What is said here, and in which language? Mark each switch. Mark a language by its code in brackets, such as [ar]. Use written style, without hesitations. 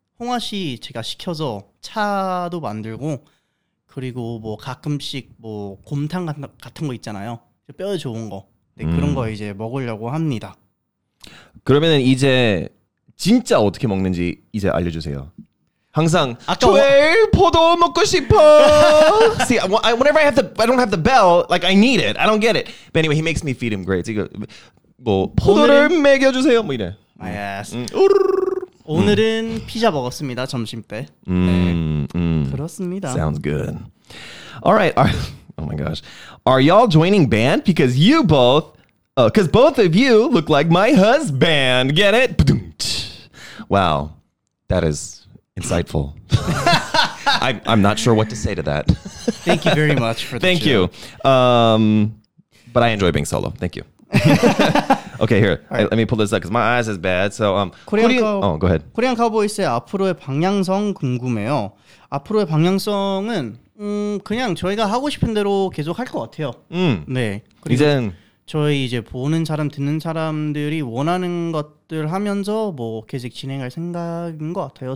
[ko] 홍화씨 제가 시켜서 차도 만들고 그리고 뭐 가끔씩 뭐 곰탕 같은 거 있잖아요. 뼈 좋은 거. 네, 그런 거 이제 먹으려고 합니다. 그러면은 이제 진짜 어떻게 먹는지 이제 알려주세요. 항상 조엘 포도 먹고 싶어. [en] See, whenever I don't have the bell, like I need it. I don't get it. But anyway, he makes me feed him grapes. He goes, [ko] 뭐 포도를 먹여주세요. 뭐 이래. [en] My ass. [ko] 오늘은 피자 먹었습니다. 점심 때. 그렇습니다. [en] Sounds good. All right. Oh my gosh. Are y'all joining band? Because you both, because both of you look like my husband. Get it? Wow. That is insightful. I'm not sure what to say to that. Thank you very much for the Thank show. You. But I enjoy being solo. Thank you. Okay, here. Right. Let me pull this up because my eyes is bad. So, go ahead. [ko] Korean Cowboys의 앞으로의 방향성 궁금해요. 앞으로의 방향성은 그냥 저희가 하고 싶은 대로 계속 할 것 같아요. 네. 그리고 이젠 저희 이제 보는 사람, 듣는 사람들이 원하는 것들 하면서 뭐 계속 진행할 생각인 것 같아요.